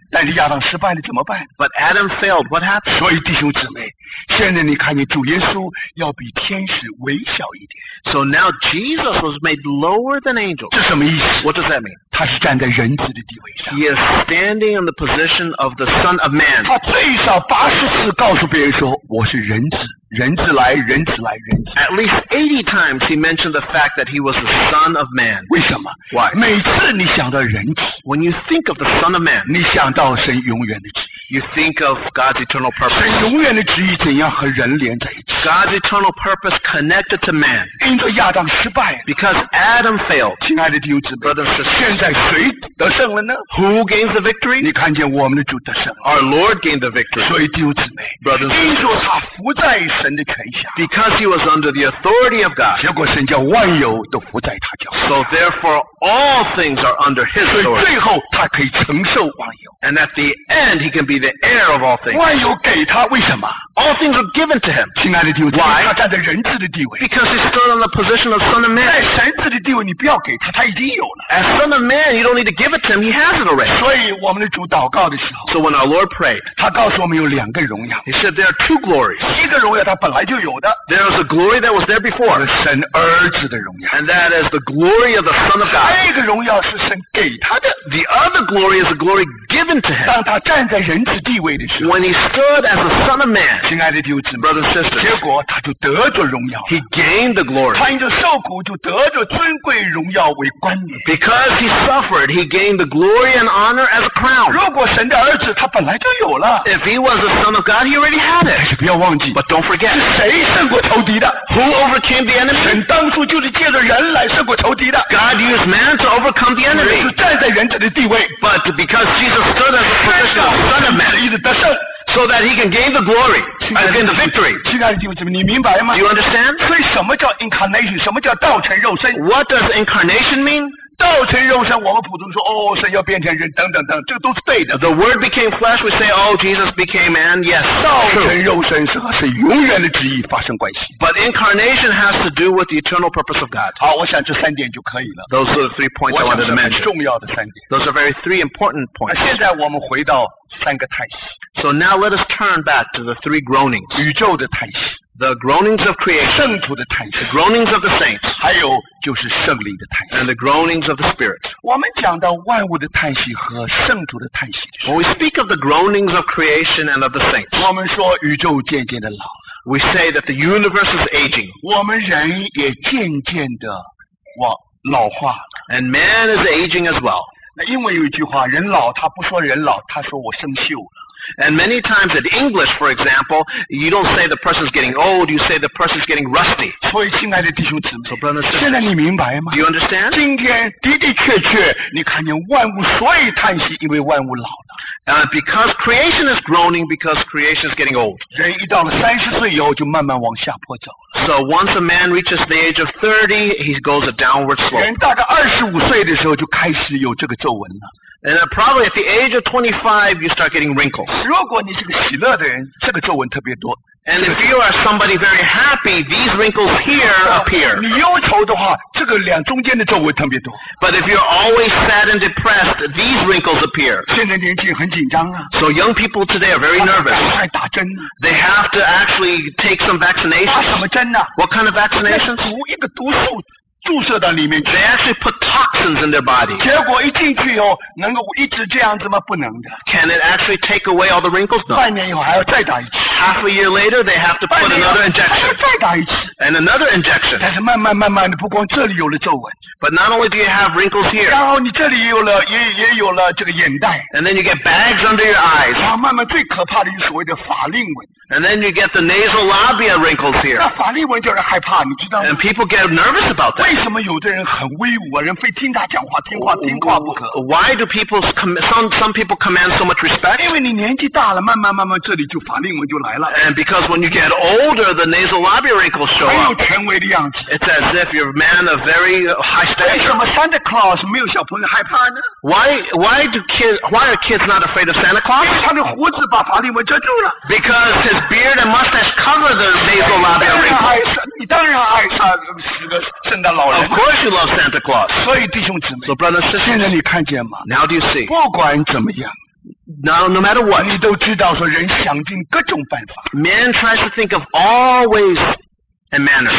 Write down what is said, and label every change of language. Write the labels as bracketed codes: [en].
[zh] 但是亚当失败了怎么办? [en] But Adam failed, what happened? [zh] 所以弟兄姊妹, 现在你看你主耶稣要比天使微小一点。 [en] So now Jesus was made lower than angels. [zh] 这什么意思? [en] What does that mean? [zh] 他是站在人子的地位上。 [en] He is standing in the position of the Son of Man. [zh] 他最少84次告诉别人说, 我是人子。人子来。 [en] At least 80 times he mentioned the fact that he was the Son of Man. [zh] 为什么? [en] Why? [zh] 每次你想到人子, [en] when you think of the Son of Man, [zh] 你想到神永远的旨意。 [en] You think of God's eternal purpose. [zh] 神永远的旨意怎样和人连在一起? [en] God's eternal purpose connected to man. [zh] 因着亚当失败了。 [en] Because Adam failed. [zh] 亲爱的弟兄姊妹, [en] brothers and sisters, [zh] 现在谁得胜了呢? [en] Who gains the victory? [zh] 你看见我们的主得胜了。 [en] Our Lord gained the victory. [zh] 所以弟兄姊妹, [en] brothers and sisters, [zh] 因着他服在神的权下。 [en] Because he was under the authority of God. [zh] 结果神叫万有都服在他脚下。 [en] So therefore, all things are under his authority. [zh] 所以最后他可以承受万有。 [en] And at the end, he can be the heir of all things. [zh] 万有给他，为什么? [en] All things are given to him. [zh] 亲爱的弟兄, [en] why? [zh] 他站在人子的地位。 [en] Because he stood on the position of Son of Man. [zh] 在神子的地位你不要给他，他已经有了。 [en] As Son of Man, you don't need to give it to him. He has it already. [zh] 所以我们的主祷告的时候。 [en] So when our Lord prayed, [zh] 他告诉我们有两个荣耀。 [en] He said there are two glories. [zh] 一个荣耀他本来就有的。 [en] There is a glory that was there before. [zh] 神儿子的荣耀。 [en] And that is the glory of the Son of God. [zh] 还有一个荣耀是神给他的。 [en] The other glory is a glory given. [zh] 当他站在人子地位的时候 [en] When he stood as the Son of Man [zh] 亲爱的弟兄姊妹 [en] Brothers and sisters [zh] 结果他就得着荣耀 [en] He gained the glory [zh] 他因着受苦就得着尊贵荣耀为冠冕 [en] Because he suffered he gained the glory and honor as a crown [zh] 如果神的儿子他本来就有了 [en] If he was the Son of God he already had it [zh] 但是不要忘记 [en] But don't forget [zh] 是谁胜过仇敌的 [en] Who overcame the enemy [zh] 神当初就是借着人来胜过仇敌的 [en] God used man to overcome the enemy [zh] 就站在人子的地位 [en] But because Jesus stoodso that he can gain the glory and gain the victory. [zh] 亲爱的弟兄姊妹，你明白吗？ [en] You understand? [zh] 所以什么叫 incarnation? 什么叫道成肉身？ [en] What does incarnation mean? [zh] 道成肉身，我们普通说，哦，神要变成人，等等等，这都是对的。 [en] The word became flesh, we say, oh, Jesus became man, yes. [zh] 道成肉身是和神永远的旨意发生关系。 [en] But incarnation has to do with the eternal purpose of God. [zh] 好，我想这三点就可以了。 [en] Those are the three points I wanted to mention. [zh] 重要的三点。 [en] Those are very three important points. [zh] 现在我们回到三个叹息。 [en] So now let us turn back to the three groanings. [zh] 宇宙的叹息。 [en] The groanings of creation, [zh] 圣徒的叹息, [en] the groanings of the saints, [zh] 还有就是圣灵的叹息, [en] and the groanings of the spirit. [zh] 我们讲到万物的叹息和圣徒的叹息的时候, [en] when we speak of the groanings of creation and of the saints, [zh] 我们说宇宙渐渐的老了, [en] we say that the universe is aging, [zh] 我们人也渐渐的老化了, [en] and man is aging as well. [zh] 那英文有一句话,人老,他不说人老,他说我生锈了。 [en] And many times in English, for example, you don't say the person's getting old, you say the person's getting rusty. [zh] 所以亲爱的弟兄姊妹 [en] so, brothers, [zh] 现在你明白吗 [en] Do you understand? [zh] 今天的的确确你看见万物所以叹息因为万物老了 [en] Because creation is groaning because creation is getting old. [zh] 人一到了三十岁以后就慢慢往下坡走了 [en] So once a man reaches the age of 30, he goes a downward slope. [zh] 人大概二十五岁的时候就开始有这个皱纹了 [en] And probably at the age of 25, you start getting wrinkles. [zh] 如果你是个喜乐的人，这个皱纹特别多。 [en] And if you are somebody very happy, these wrinkles here appear. [zh] 你忧愁的话，这个脸中间的皱纹特别多。 [en] But if you're always sad and depressed, these wrinkles appear. [zh] 现在年轻很紧张啊。 [en] So young people today are very nervous. [zh] 赶快打针。 [en] They have to actually take some vaccinations. [zh] 打什么针呢？ [en] What kind of vaccinations? [zh] 毒一个毒素。注射到里面去 [en] They actually put toxins in their body. [zh] 结果一进去以后能够一直这样子吗不能的 [en] Can it actually take away all the wrinkles? No. [zh] 半年以后还要再打一次 [en] Half a year later they have to put another injection. [zh] 半年以后还要再打一次 [en] And another injection. [zh] 但是慢慢慢慢的不光这里有了皱纹 [en] But not only do you have wrinkles here. [zh] 然后你这里有了 也有了这个眼袋 [en] And then you get bags under your eyes. [zh] 然后慢慢最可怕的就是所谓的法令纹 [en] And then you get the nasal labia wrinkles here. [zh] 那法令纹就让人害怕你知道吗 [en] And people get nervous about that. [zh] 为什么有的人很威武啊？人非听他讲话，听话不可。 [en] Why do people some people command so much respect? [zh] 因为你年纪大了，慢慢慢慢，这里就法令纹就来了。 [en] And because when you get older, the nasal labial wrinkles show up. [zh] 很有权威的样子。 [en] It's as if you're a man of very high stature. [zh] 为什么 Santa Claus 没有小朋友害怕呢？ [en] Why are kids not afraid of Santa Claus? [zh] 因为他的胡子把法令纹遮住了。 [en] Because his beard and mustache cover the nasal labial wrinkles. [zh] 你当然爱上十个圣诞老。 [en] Of course you love Santa Claus. [zh] 所以弟兄姊妹 [en] So brothers and sisters, [zh] 现在你看见吗 [en] Now do you see? [zh] 不管怎么样 [en] No matter what, [zh] 你都知道说人想尽各种办法 [en] Man tries to think of all ways and manner.